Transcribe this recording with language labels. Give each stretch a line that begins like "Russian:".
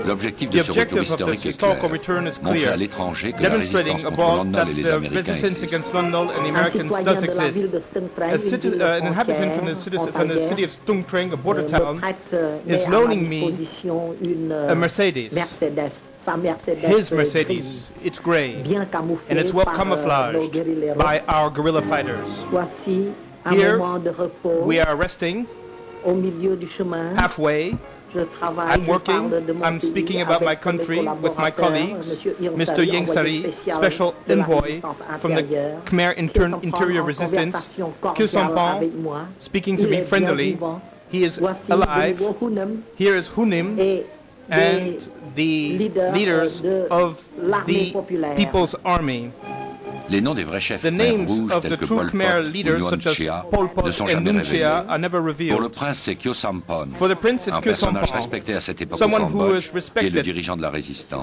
French: L'objectif de ce retour historique est clair, montrer à l'étranger que la résistance contre Lon Nol et les Américains existe. Un habitant de la ville de Stung Treng, une ville de Stung Treng, m'a
English: loaning me a Mercedes. His Mercedes, it's grey, and it's well camouflaged by our guerrilla fighters. Here, we are resting halfway. I'm working, I'm speaking about my country with my colleagues, Mr. Yang Sari, special envoy from the Khmer Interior Resistance, Khieu Sampan, speaking to me friendly. He is alive. Here is Hunim and the leaders of the People's Army.
French: Les noms des vrais chefs Khmer Rouge, tels que
English: the true Khmer leaders, such as Pol Pot and Nguyen Chia, are never revealed.
French: Pour le prince, c'est Khieu Sampan,
English: for the prince, it's Khieu Sampan,
French: respecté à cette époque au Cambodge, qui est le dirigeant de la résistance.